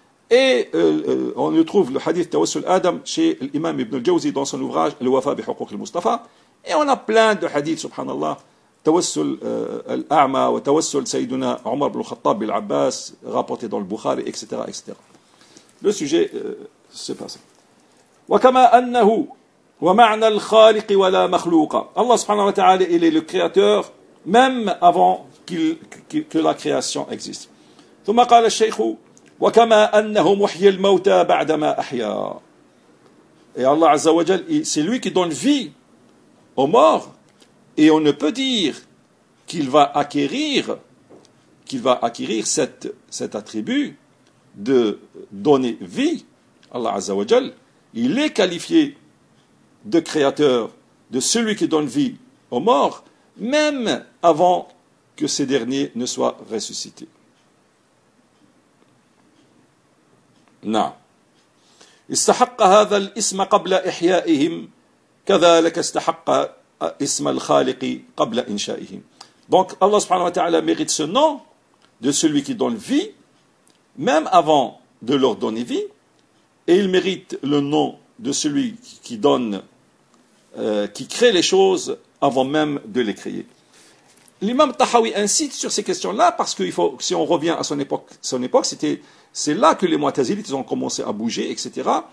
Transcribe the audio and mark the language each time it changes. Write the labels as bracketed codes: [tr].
[fr] Et on le trouve, le hadith tawassul Adam, chez l'imam Ibn al-Jawzi dans son ouvrage « Al-Wafa bi Huquq al-Mustafa ». Et on a plein de hadiths, subhanallah, [ar] توسل الأعمى وتوسل سيدنا عمر بن الخطاب بالعباس [fr] rapporté dans le Bukhari etc. Le sujet se passe. [ar] وكما أنه ومعنى الخالق ولا مخلوق. [fr] Allah [ar] سبحانه وتعالى [fr] il est le créateur même avant que la création existe. [ar] ثم قال الشيخ وكما أنه محيي الموتى بعدما أحيا. [fr] Et Allah [ar] عز وجل [fr] c'est lui qui donne vie aux morts. Et on ne peut dire qu'il va acquérir cet attribut de donner vie. Allah Azza wa Jal, il est qualifié de créateur, de celui qui donne vie aux morts, même avant que ces derniers ne soient ressuscités. Non. [ar] استحق هذا الاسم قبل إحيائهم كذلك استحق اسم الخالق قبل إنشائهم. [fr] Donc Allah subhanahu wa ta'ala mérite ce nom de celui qui donne vie même avant de leur donner vie, et il mérite le nom de celui qui donne qui crée les choses avant même de les créer. L'imam Tahawi insiste sur ces questions-là parce que si on revient à son époque, c'est là que les Mu'tazilites ont commencé à bouger, etc.